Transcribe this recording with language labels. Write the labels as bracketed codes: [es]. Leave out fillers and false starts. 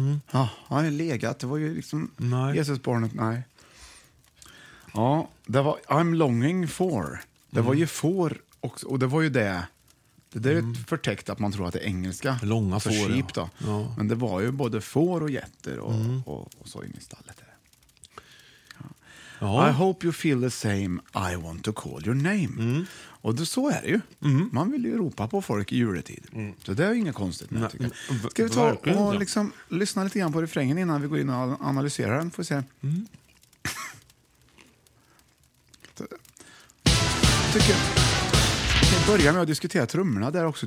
[sv] Ja, han är legat. Det var ju liksom Jesusbarnet. Nej. Ja, det var [en] I'm longing for. [sv] Det var ju får också. Och det var ju det. Det är ju förtäckt att man tror att det är engelska. Långa för får. Sheep, då. Ja. Men det var ju både får och getter och så in i stallet. Ja. [en] I hope you feel the same, I want to call your name. [sv] Och då, så är det ju. Man vill ju ropa på folk i juletid. Så det är ju inget konstigt med, tycker jag. Ska vi ta och liksom lyssna lite grann på refrängen innan vi går in och analyserar den. Får vi se. Tycker jag. börja med att diskutera trummorna där också.